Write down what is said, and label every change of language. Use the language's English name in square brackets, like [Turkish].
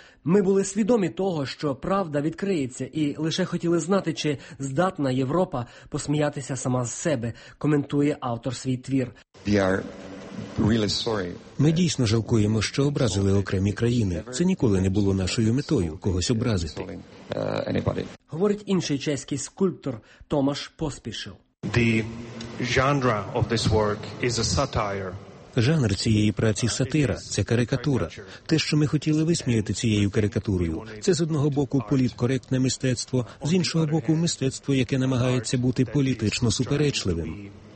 [Ukrainian] Ми були свідомі того, що правда відкриється, і лише хотіли знати, чи здатна Європа посміятися сама з себе, коментує автор свій твір. Ми дійсно жалкуємо, що образили окремі країни. Це ніколи не було нашою метою – когось образити. Говорить інший чеський скульптор Томаш Поспішил. [English] The genre of this work is a satire. [Ukrainian] Жанр цієї праці – сатира, це карикатура. Те, що ми хотіли висміяти цією карикатурою, це з одного боку політкоректне мистецтво, з іншого боку мистецтво, яке намагається бути політично суперечливим.